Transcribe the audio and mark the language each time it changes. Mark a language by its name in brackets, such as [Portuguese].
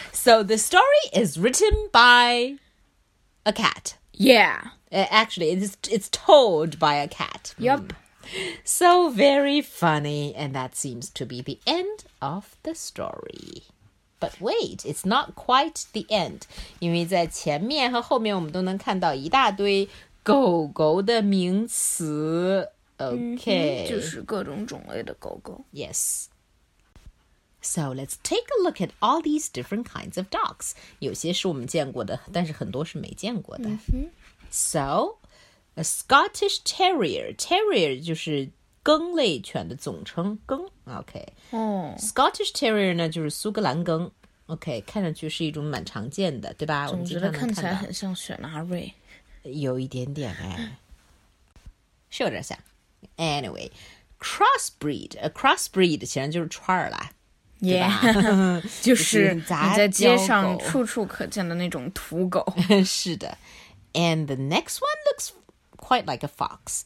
[English] So the story is written by a cat. Yeah. Actually, it's told by a cat. Yep. So very funny. And that seems to be the end of the story. But wait, it's not quite the end. [Chinese] 因为在前面和后面我们都能看到一大堆狗狗的名词。 [English] Okay. [Chinese] 就是各种种类的狗狗。 [English] Yes. So let's take a look at all these different kinds of dogs. [Chinese] 有些是我们见过的，但是很多是没见过的。 [English] So, a Scottish Terrier. Terrier [Chinese] 就是梗类犬的总称，梗。 [English] Okay. [Chinese] Scottish Terrier 呢，就是苏格兰梗。Okay, 看上去是一种蛮常见的，对吧？总觉得看起来很像雪纳瑞。有一点点哎，是有点像。 [English] Anyway, crossbreed, a crossbreed [Chinese] 显然就是串儿啦， [English] yeah, [Chinese] 对吧？就是你在街上处处可见的那种土狗。是的。 [English] And the next one looks quite like a fox.